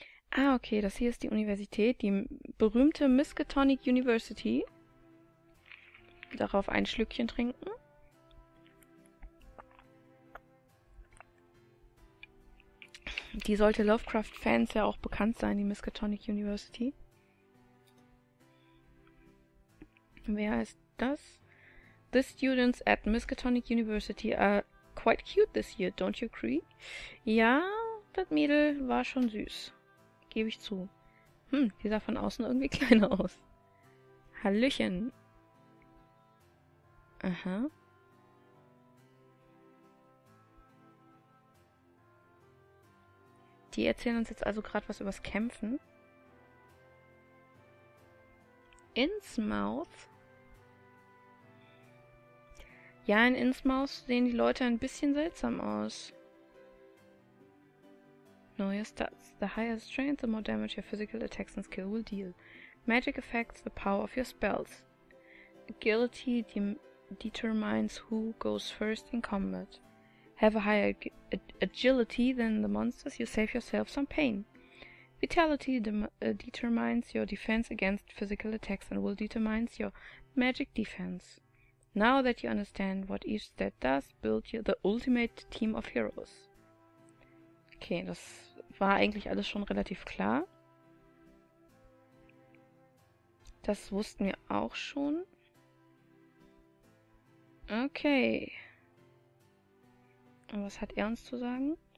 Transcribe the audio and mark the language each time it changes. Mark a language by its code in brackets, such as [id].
[de] Ah, okay, das hier ist die Universität, die berühmte Miskatonic University. Darauf ein Schlückchen trinken. Die sollte Lovecraft-Fans ja auch bekannt sein, die Miskatonic University. Wer ist das? [en] The students at Miskatonic University are quite cute this year, don't you agree? [de] Ja, das Mädel war schon süß. Gebe ich zu. Die sah von außen irgendwie kleiner aus. Hallöchen. Aha. Die erzählen uns jetzt also gerade was übers Kämpfen. Innsmouth? Ja, in Innsmouth sehen die Leute ein bisschen seltsam aus. [en] Know your stats. The higher strength, the more damage your physical attacks and skill will deal. Magic effects, the power of your spells. Agility determines who goes first in combat. Have a higher agility than the monsters, you save yourself some pain. Vitality determines your defense against physical attacks and will determine your magic defense. Now that you understand what each stat does, build you the ultimate team of heroes. [de] Okay, das war eigentlich alles schon relativ klar. Das wussten wir auch schon. Okay. Und was hat er uns zu sagen?